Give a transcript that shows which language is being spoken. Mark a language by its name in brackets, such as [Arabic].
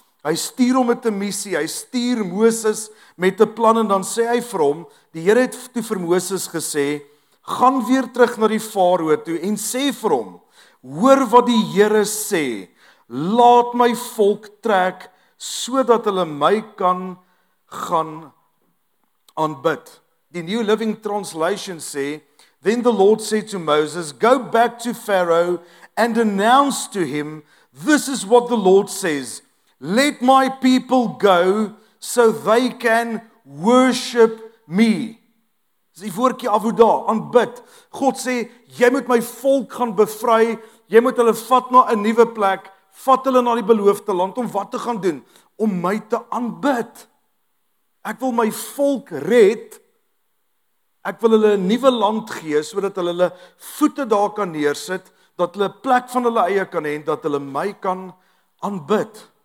[Afrikaans] Hy stuur hom met 'n missie, hy stuur Moses met 'n plan en dan sê hy vir hom, die Here het toe vir Moses gesê, gaan weer terug na die Farao toe en sê vir hom, hoor wat die Here sê, laat my volk trek sodat hulle my kan gaan aanbid. Die New Living Translation sê, [English] then the Lord said to Moses, go back to Pharaoh and announce to him, this is what the Lord says, let my people go so they can worship me. [Afrikaans] Dis die woordjie avoda, aanbid. God sê, jy moet my volk gaan bevry, jy moet hulle vat na 'n nuwe plek, vat hulle na die beloofde land om wat te gaan doen? Om my te aanbid. Ek wil my volk red, ek wil hulle 'n nuwe land gee, sodat hulle hulle voete daar kan neersit, dat hulle plek van hulle eie kan hê, dat hulle my kan aanbid.